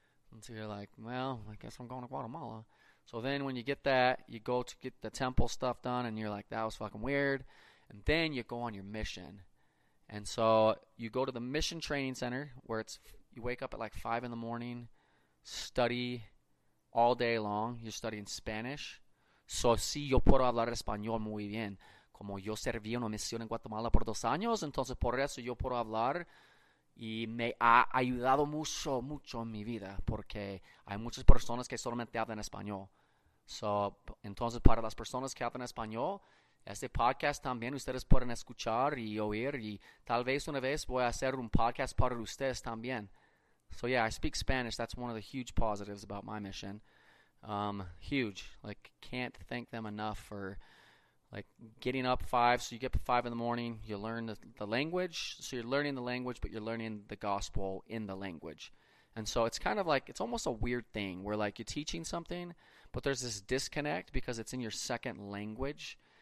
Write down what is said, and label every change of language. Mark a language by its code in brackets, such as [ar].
[en] And so you're like, well, I guess I'm going to Guatemala. So then when you get that, you go to get the temple stuff done, and you're like, that was fucking weird. And then you go on your mission. And so you go to the mission training center where it's – you wake up at like 5 in the morning, study all day long. You're studying Spanish. [es] So si yo puedo hablar español muy bien. Como yo serví una misión en Guatemala por 2 años, entonces por eso yo puedo hablar – y me ha ayudado mucho, mucho en mi vida, porque hay muchas personas que solamente hablan español. So, entonces, para las personas que hablan español, este podcast también ustedes pueden escuchar y oír, y tal vez una vez voy a hacer un podcast para ustedes también. [en] So, yeah, I speak Spanish. That's one of the huge positives about my mission. Huge. Like, can't thank them enough for, like, getting up 5, so you get up 5 in the morning, you learn the language, so you're learning the language, but you're learning the gospel in the language. And so it's kind of like, it's almost a weird thing, where, like, you're teaching something, but there's this disconnect because it's in your second language.